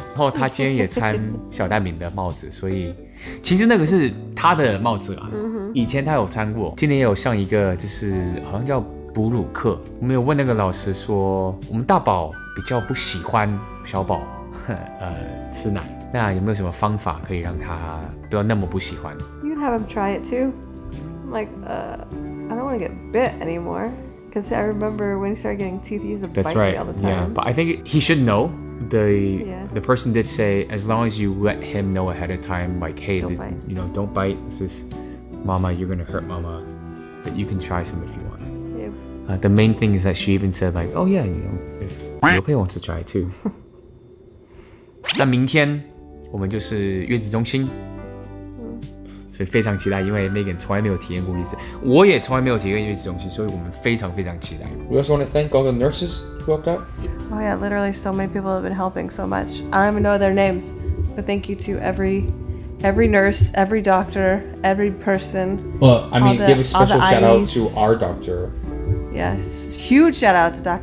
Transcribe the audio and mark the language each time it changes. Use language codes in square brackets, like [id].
[zh] 然后他今天也穿小蛋饼的帽子，所以其实那个是他的帽子啦。 Mm-hmm. 以前他有穿过，今天也有上一个就是好像叫哺乳课。我们有问那个老师说，我们大宝比较不喜欢小宝吃奶，那有没有什么方法可以让他不要那么不喜欢 [en] ？You can have him try it too. Like, I don't want to get bit anymore. Because I remember when he started getting teeth, he used to bite me all the time. Yeah, but I think he should know. The person did say, as long as you let him know ahead of time, like, hey, this, you know, don't bite. This is mama, you're going to hurt mama. But you can try some if you want. Yeah. The main thing is that she even said, like, oh yeah, you know, if Liupeibusiness wants to try too. [zh] 那明天我们就是月子中心。所以非常期待，因为 Megan 从来没有体验过月子，我也从来没有体验月子中心，所以我们非常非常期待。 [en] We also want to thank all the nurses who helped out. Oh yeah, literally so many people have been helping so much. I don't even know their names, but thank you to every nurse, every doctor, every person. Well, I mean, give a special shout out to our doctor. Yes, huge shout out to doctor.